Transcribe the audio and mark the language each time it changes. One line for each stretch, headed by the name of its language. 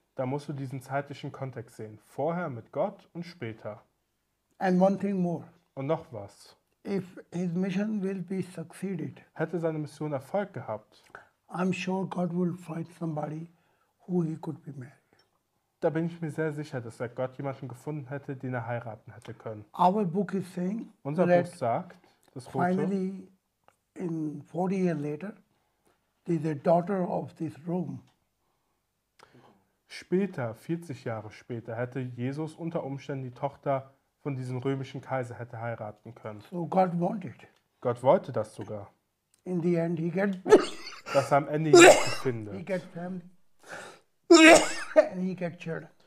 German: Da musst du diesen zeitlichen Kontext sehen. Vorher mit Gott und später.
English: And one thing more.
German: Und noch was.
English: If his mission will be succeeded,
German: hätte seine Mission Erfolg gehabt,
English: I'm sure God will find somebody who he could be married.
German: Da bin ich mir sehr sicher, dass er Gott jemanden gefunden hätte, den er heiraten hätte können.
English: Our book is saying,
German: unser Buch sagt, das Foto,
English: finally, in 40 years later, there's a daughter of this room.
German: Später, 40 Jahre später, hätte Jesus unter Umständen die Tochter von diesem römischen Kaiser hätte heiraten können.
English: So God wanted.
German: Gott wollte das sogar.
English: In the end he get
German: dass er am Ende Jesus findet.
English: He get family. And he get children.